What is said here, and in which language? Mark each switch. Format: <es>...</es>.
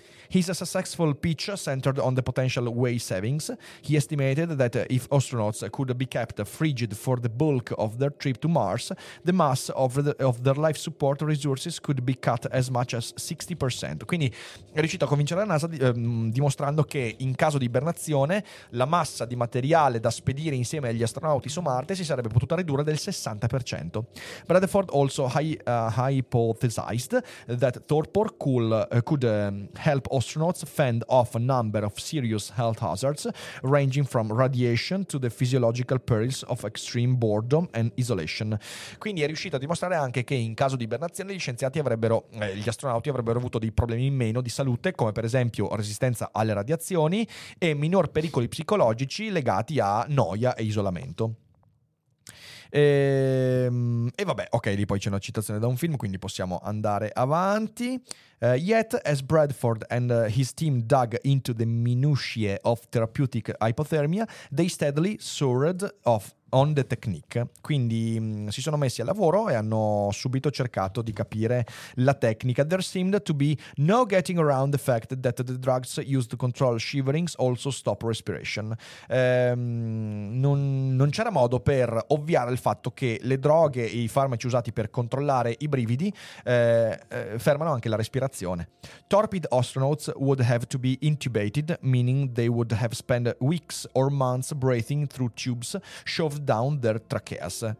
<en>His successful pitch centered on the potential weight savings. He estimated that if astronauts could be kept frigid for the bulk of their trip to Mars, the mass of their life support resources could be cut as much as 60%.</en> <it>Quindi è riuscito a convincere la NASA dimostrando che in caso di ibernazione la massa di materiale da spedire insieme agli astronauti su Marte si sarebbe potuta ridurre del 60%.</it> <en>Bradford also hypothesized that torpor could help astronauts fend off a number of serious health hazards, ranging from radiation to the physiological perils of extreme boredom and isolation.</en> <it>Quindi è riuscito a dimostrare anche che in caso di ibernazione gli scienziati avrebbero, gli astronauti avrebbero avuto dei problemi in meno di salute, come per esempio resistenza alle radiazioni e minor pericoli psicologici legati a noia e isolamento. E vabbè, ok, lì poi c'è una citazione da un film, quindi possiamo andare avanti.</it> <en>Yet, as Bradford and his team dug into the minutiae of therapeutic hypothermia, they steadily soared off on the technique.</en> <it>Quindi si sono messi al lavoro e hanno subito cercato di capire la tecnica.</it> <en>There seemed to be no getting around the fact that the drugs used to control shiverings also stop respiration.</en> <it>Non c'era modo per ovviare il fatto che le droghe e i farmaci usati per controllare i brividi fermano anche la respirazione.</it> <en>Torpid astronauts would have to be intubated, meaning they would have spent weeks or months breathing through tubes shoved down their tracheas.</en>